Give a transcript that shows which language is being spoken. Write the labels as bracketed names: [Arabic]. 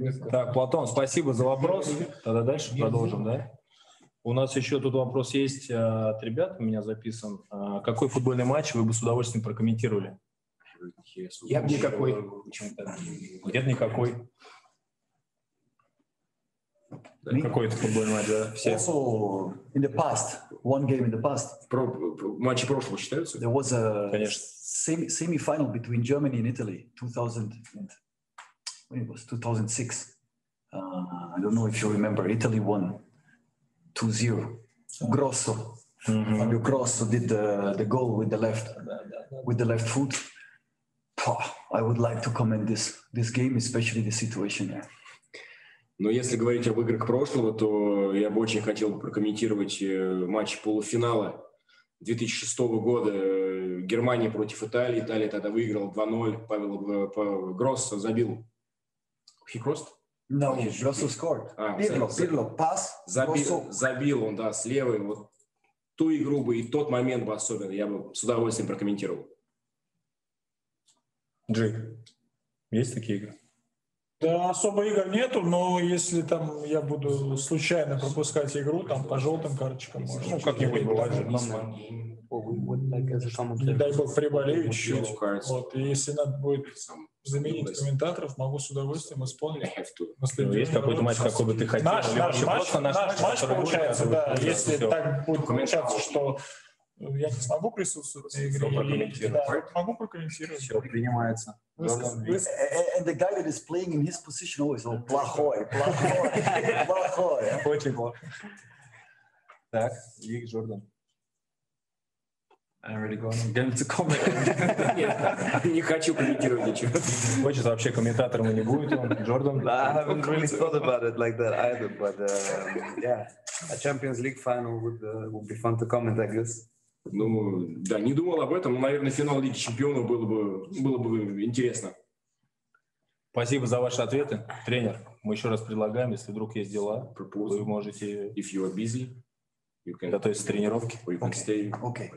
[Russian] Так, Платон, спасибо за вопрос. Тогда дальше продолжим, да? У нас еще тут вопрос есть от ребят, у меня записан. Какой футбольный матч вы бы с удовольствием прокомментировали? Я бы никакой. Нет, никакой. Какой это футбольный матч, да? Все. [English] Also, in the past, one game in the past. [Russian] Матчи прошлого считаются? [English] There was a semi-final between Germany and Italy, 2006. I don't know if you remember, Italy won 2-0. Grosso. Mm-hmm. Fabio Grosso did the goal with the left foot. Pah, I would like to comment this game, especially the situation. [Russian] Но если говорить об играх прошлого, то я бы очень хотел прокомментировать матч полуфинала 2006 года Германии против Италии. Италия тогда выиграла 2-0. Павел Гроссо забил. [English] He crossed? No, Grosso scored. Pirlo pass. [Russian] Забил он, да, слева. Вот ту игру бы и тот момент бы особенно я бы с удовольствием прокомментировал. Джейк, есть такие игры? Да, особо игр нету, но если там я буду случайно пропускать игру, там по желтым карточкам можно. Ну, как-нибудь бывает же. Не дай бог приболею чуть-чуть. Вот, и если надо будет заменить комментаторов, могу с удовольствием исполнить. Есть какой-то матч, какой бы ты хотел? Наш матч получается, да. Если так будет получаться, что я не смогу присутствовать в игре. Могу прокомментировать. Все, принимается. [English] And the guy that is playing in his position always says, [Russian] плохой. Очень плохо. Так, Вик Джордан. [English] I'm already going to get into comment. [Russian] Не хочу комментировать ничего. Хочется вообще комментатором не будет он, Джордан. [English] I haven't really thought about it like that either, but yeah, a Champions League final would be fun to comment, I guess. [Russian] Ну, да, не думал об этом, но, наверное, финал Лиги Чемпионов было бы интересно. Спасибо за ваши ответы, тренер. Мы еще раз предлагаем, если вдруг есть дела, [English] propose, [Russian] вы можете... [English] If you are busy, you can... [Russian] Готовиться к тренировке. [English] Or you can stay. Okay.